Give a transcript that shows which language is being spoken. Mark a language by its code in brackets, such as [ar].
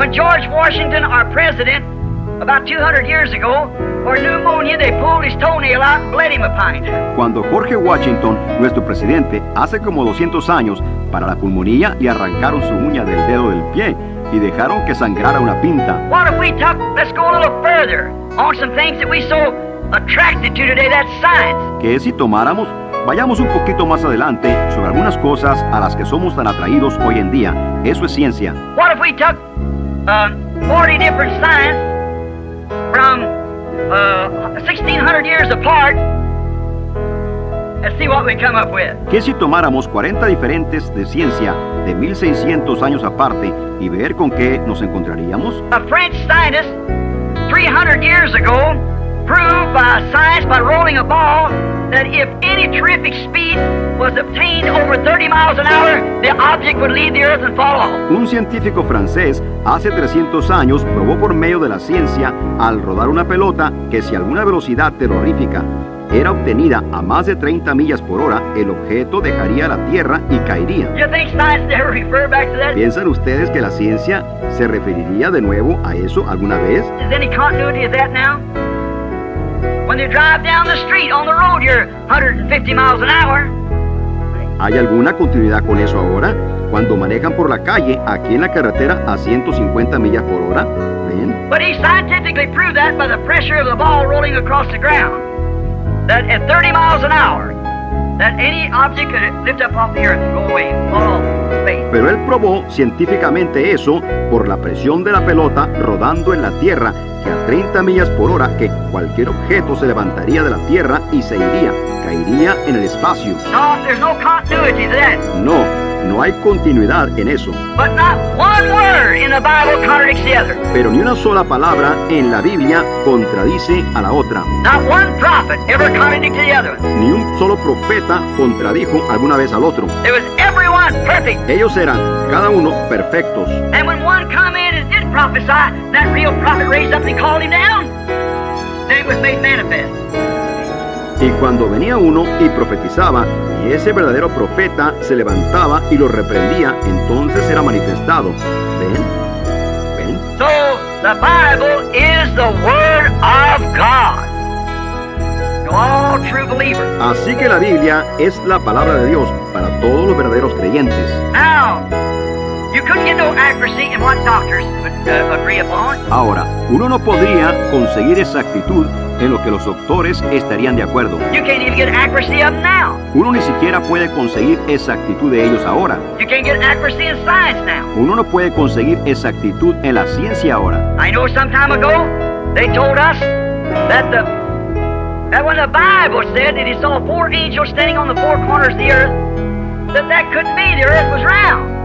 [en] When George Washington, our president, about 200 years ago, for pneumonia, they pulled his toenail out and bled him a pint. [es] Cuando George Washington, nuestro presidente, hace como 200 años, para la pulmonía le arrancaron su uña del dedo del pie y dejaron que sangrara una pinta. [en] What if we talk, let's go a little further on some things that we're so attracted to today, that's science. [es] ¿Qué si tomáramos? Vayamos un poquito más adelante sobre algunas cosas a las que somos tan atraídos hoy en día. Eso es ciencia. [en] What if we talk 40 different science from 1600 years apart and see what we come up with? [es] ¿Qué si tomáramos 40 diferentes de ciencia de 1600 años aparte y ver con qué nos encontraríamos? [en] A French scientist 300 years ago proved by science, by rolling a ball, that if any terrific speed was obtained over 30 miles an hour, the object would leave the earth and fall off. [es] Un científico francés hace 300 años probó por medio de la ciencia al rodar una pelota que si alguna velocidad terrorífica era obtenida a más de 30 millas por hora, el objeto dejaría la tierra y caería. [en] You think science never refer back to that? [es] ¿Piensan ustedes que la ciencia se referiría de nuevo a eso alguna vez? [en] Is any continuity of that now? When you drive down the street on the road, you're 150 miles an hour. [es] ¿Hay alguna continuidad con eso ahora? Cuando manejan por la calle, aquí en la carretera, a 150 millas por hora, ¿ven? [en] But he scientifically proved that by the pressure of the ball rolling across the ground. That at 30 miles an hour, that any object could lift up off the earth and go away, fall off. [es] Pero él probó científicamente eso por la presión de la pelota rodando en la tierra, que a 30 millas por hora que cualquier objeto se levantaría de la tierra y se iría, caería en el espacio. [en] No, there's no continuity to that. [es] No, no hay continuidad en eso. [en] But not one word in the Bible contradicts the other. [es] Pero ni una sola palabra en la Biblia contradice a la otra. [en] Not one prophet ever contradicted the other. [es] Ni un solo profeta contradijo alguna vez al otro. [en] It was everyone perfect. [es] Ellos eran, cada uno, perfectos. [en] And when one came in and did prophesy, that real prophet raised up and called him down. Then it was made manifest. [es] Y cuando venía uno y profetizaba, y ese verdadero profeta se levantaba y lo reprendía, entonces era manifestado. ¿Ven? ¿Ven? [en] So, the Bible is the Word of God. To all true believers. [es] Así que la Biblia es la palabra de Dios para todos los verdaderos creyentes. [en] Now, you couldn't get no accuracy in what doctors agree upon. [es] Ahora, uno no podría conseguir exactitud en lo que los doctores estarían de acuerdo. [en] You can't even get accuracy of them now. [es] Uno ni siquiera puede conseguir exactitud de ellos ahora. [en] You can't get accuracy in science now. [es] Uno no puede conseguir exactitud en la ciencia ahora. [en] I know some time ago they told us that when the Bible said that he saw four angels standing on the four corners of the earth, that couldn't be, the earth was round.